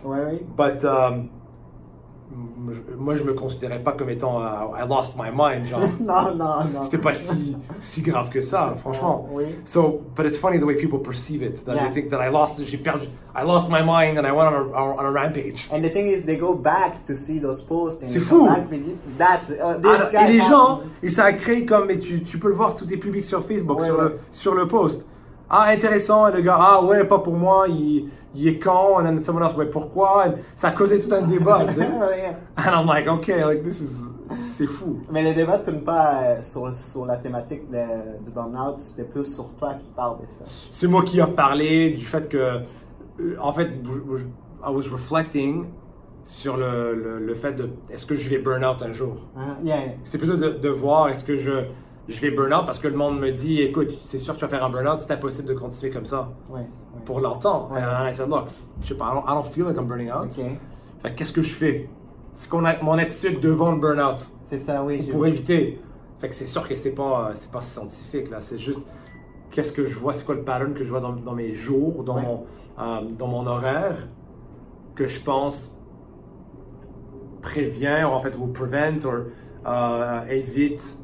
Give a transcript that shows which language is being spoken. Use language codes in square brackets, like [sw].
[fr] But moi, je me considérais pas comme étant [en] I lost my mind, [fr] genre. Non. C'était pas si grave que ça, franchement. Oui. [en] So, but it's funny the way people perceive it, that they think that I lost my mind and I went on a rampage. And the thing is, they go back to see those posts. [fr] C'est fou. Et les gens, ça a créé comme, mais tu peux le voir, tout est public sur Facebook, sur le post. Ah, intéressant, et le gars, ah ouais, pas pour moi, il est quand, [en] and then someone else, [fr] mais pourquoi, and ça a causé tout un débat, tu sais. [en] And I'm like, okay, like, this is, [fr] c'est fou. Mais le débat ne tourne pas sur la thématique du burn-out, c'était plus sur toi qui parles de ça. C'est moi qui a parlé du fait que, en fait, [en] I was reflecting [fr] sur le fait de, est-ce que je vais burn-out un jour. C'est plutôt de voir, est-ce que je vais burn out parce que le monde me dit, écoute, c'est sûr que tu vas faire un burn out, c'est impossible de continuer comme ça. Ouais. Pour longtemps. Ouais. [en] I said, look, [fr] je sais pas, [en] I don't feel like I'm burning out. Okay. [fr] Fait, qu'est-ce que je fais? C'est qu'on a mon attitude devant le burn out. C'est ça, oui. Pour éviter. Fait que c'est sûr que c'est pas scientifique là, c'est juste qu'est-ce que je vois, c'est quoi le pattern que je vois dans mes jours, dans mon horaire, que je pense prévient, ou en fait, ou prevent, ou évite.